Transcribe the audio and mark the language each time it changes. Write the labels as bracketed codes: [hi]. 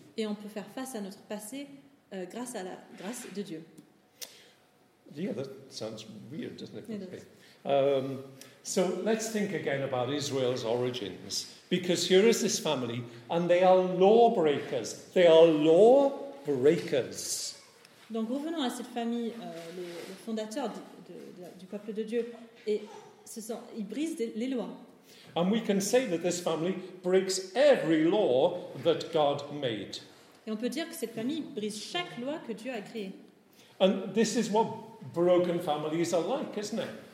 [fr] Et on peut faire face à notre passé grâce à la grâce de Dieu. [en] Yeah, that sounds weird, doesn't it? It does. So let's think again about Israel's origins. Because here is this family, and they are lawbreakers. They are lawbreakers. [fr] Donc revenons à cette famille, le fondateur du peuple de Dieu, et... ils brisent les lois. [en] And we can say that this family breaks every law that God made. [fr] Et on peut dire que cette famille brise chaque loi que Dieu a créée. [en] And this is what broken families are like, isn't it?